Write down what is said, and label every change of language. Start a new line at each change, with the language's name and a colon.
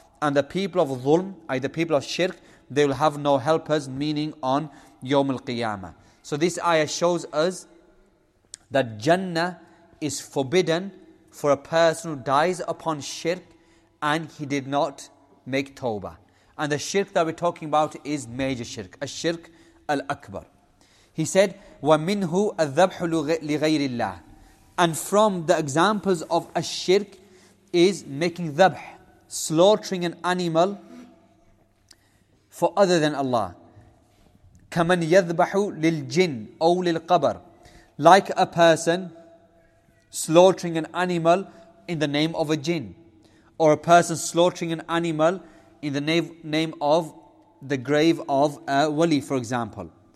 English: And the people of dhulm, either people of shirk, they will have no helpers, meaning on Yawm al-Qiyamah. So this ayah shows us that Jannah is forbidden for a person who dies upon shirk and he did not make tawbah. And the shirk that we're talking about is major shirk, a shirk al-akbar. He said,
Arabic: وَمِنْهُ الذَّبْحُ لِغَيْرِ اللَّهِ.
English: And from the examples of a shirk is making dhabh, slaughtering an animal for other than Allah.
Arabic: كَمَنْ يَذْبَحُ لِلْجِنْ أَوْ لِلْقَبَرِ.
English: Like a person slaughtering an animal in the name of a jinn, or a person slaughtering an animal in the name of the grave of a wali, for example.